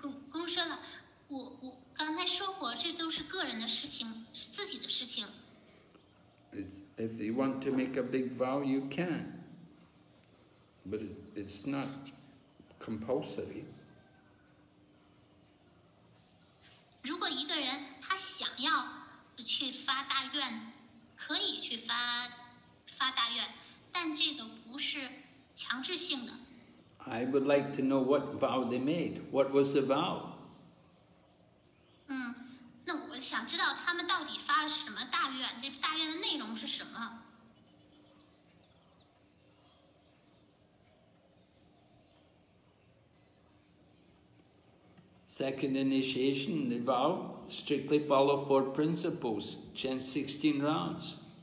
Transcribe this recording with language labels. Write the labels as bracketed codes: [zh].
[zh] 公说了，我刚才说过，这都是个人的事情，是自己的事情。 [en] If you want to make a big vow, you can, but it's not compulsory. [zh] 如果一个人他想要去发大愿，可以去发大愿，但这个不是强制性的。 [en] I would like to know what vow they made. What was the vow? [zh] 那我想知道他们到底发了什么大愿，这大愿的内容是什么。 [en] Second initiation, the vow, strictly follow four principles, chant 16 rounds.